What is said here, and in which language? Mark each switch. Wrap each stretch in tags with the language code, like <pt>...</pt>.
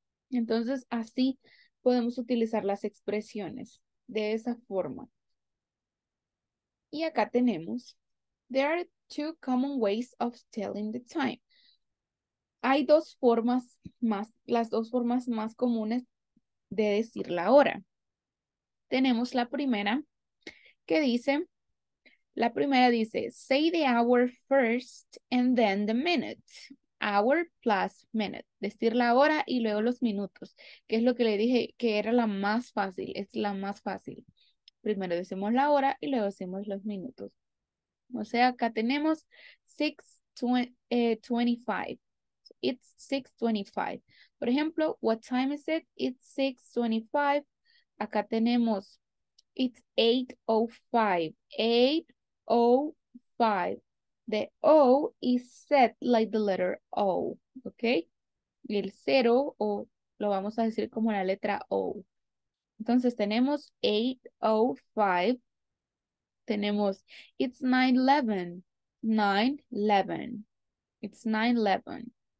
<es>Entonces, así podemos utilizar las expresiones de esa forma. Y acá tenemos,</es> <en>there are two common ways of telling the time.</en> <es>Hay dos formas más, las dos formas más comunes de decir la hora. Tenemos la primera, ¿qué dice? La primera dice,</es> <en>say the hour first and then the minute. Hour plus minute.</en> <es>Decir la hora y luego los minutos. Que es lo que le dije que era la más fácil. Es la más fácil. Primero decimos la hora y luego decimos los minutos. O sea, acá tenemos 6:25.</es> <en>It's 6:25.</en> <es>Por ejemplo,</es> <en>what time is it? It's 6:25.</en> <es>Acá tenemos,</es> <en>it's 8:05. 8:05. The O is set like the letter O.</en> <es>¿Ok? Y el cero, o lo vamos a decir como la letra O. Entonces tenemos 8:05. Tenemos,</es> <en>it's 9:11. 9:11. It's 9:11.</en>